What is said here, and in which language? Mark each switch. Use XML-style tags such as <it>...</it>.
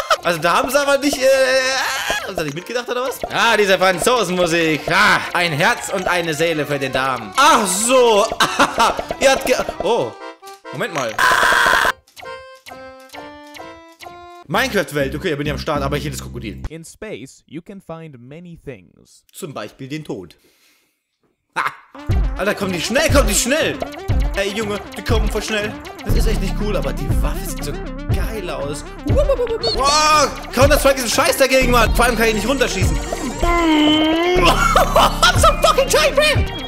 <de>Also da haben sie aber nicht, haben sie nicht mitgedacht oder was? Ah, diese Franzosenmusik. Ah, ein Herz und eine Seele für den Damen. Ach so. Ihr habt ge... Oh. Moment mal. Minecraft-Welt, okay, ich bin ja am Start, aber ich hätte das Krokodil.</de> <en>In space, you can find many things.</en> <de>Zum Beispiel den Tod. Ha! Alter, kommen die schnell! Ey, Junge, die kommen voll schnell. Das ist echt nicht cool, aber die Waffe sieht so geil aus. Wow, Counter-Strike ist ein Scheiß dagegen, Mann. Vor allem kann ich nicht runterschießen.</de> <en>I'm so fucking tight, man!</en>